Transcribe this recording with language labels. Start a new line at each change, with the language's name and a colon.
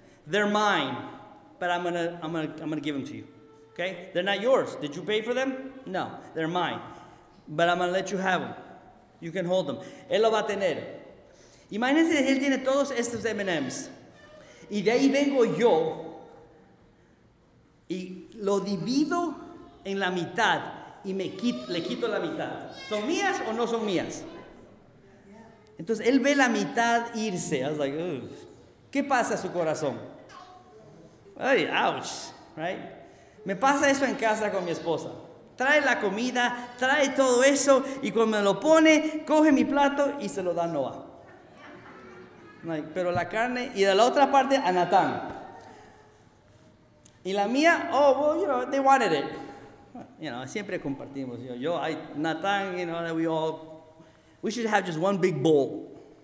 English: They're mine, but I'm gonna give them to you, okay? They're not yours. Did you pay for them? No, they're mine. But I'm going to let you have them. You can hold them.
Spanish: Él lo va a tener. Imagínense que él tiene todos estos M&M's. Y de ahí vengo yo. Y lo divido en la mitad. Y le quito la mitad. ¿Son mías o no son mías? Entonces, él ve la mitad irse.
English: I was like, ugh.
Spanish: ¿Qué pasa a su corazón? Ay, ouch. Right? Me pasa eso en casa con mi esposa. Trae la comida, trae todo eso, y cuando me lo pone, coge mi plato y se lo da a Noah. Pero la carne, y de la otra parte, a Natán. Y la mía,
English: oh, well, you know, they wanted it. You know,
Spanish: siempre compartimos.
English: Natán, you know, we should have just one big bowl.